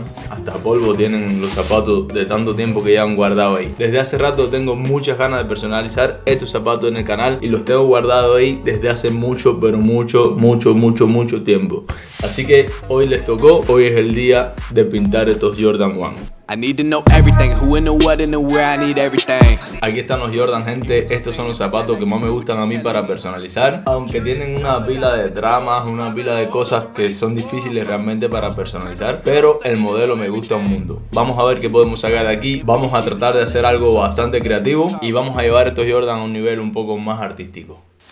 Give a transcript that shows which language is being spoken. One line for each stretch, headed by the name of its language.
Spanish: Hasta polvo tienen los zapatos de tanto tiempo que ya han guardado ahí. Desde hace rato tengo muchas ganas de personalizar estos zapatos en el canal y los tengo guardados ahí desde hace mucho, pero mucho, mucho, mucho, mucho tiempo. Así que hoy les tocó, hoy es el día de pintar estos Jordan 1.
English: I need to know everything, who and the what and the where, I need everything.
Spanish: Aquí están los Jordan, gente, estos son los zapatos que más me gustan a mí para personalizar. Aunque tienen una pila de dramas, una pila de cosas que son difíciles realmente para personalizar, pero el modelo me gusta un mundo. Vamos a ver qué podemos sacar de aquí, vamos a tratar de hacer algo bastante creativo y vamos a llevar estos Jordan a un nivel un poco más artístico.